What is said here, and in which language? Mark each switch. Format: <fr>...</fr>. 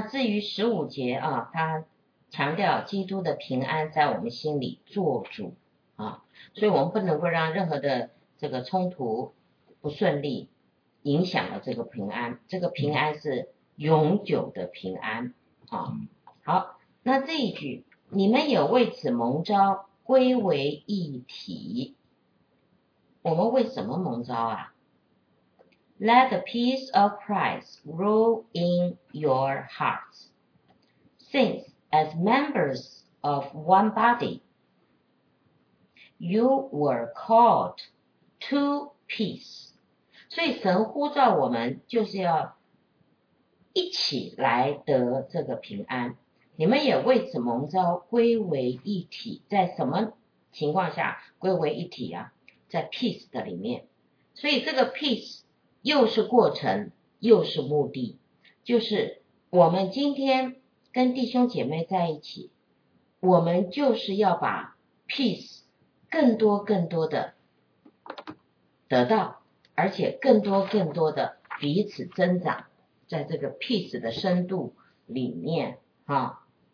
<zh>至于十五节啊，他强调基督的平安在我们心里做主啊，所以我们不能够让任何的这个冲突不顺利影响了这个平安，这个平安是永久的平安啊。好，那这一句，你们也为此蒙召归为一体。我们为什么蒙召啊？</zh> <en>Let the peace of Christ rule in your hearts, since as members of one body, you were called to peace.</en> <zh>所以神呼召我们就是要一起来得这个平安。你们也为此蒙召归为一体，在什么情况下归为一体啊？在 peace 的里面。所以这个 peace 又是过程又是目的，就是我们今天跟弟兄姐妹在一起，我们就是要把 peace 更多更多的得到，而且更多更多的彼此增长在这个 peace 的深度里面啊。</zh>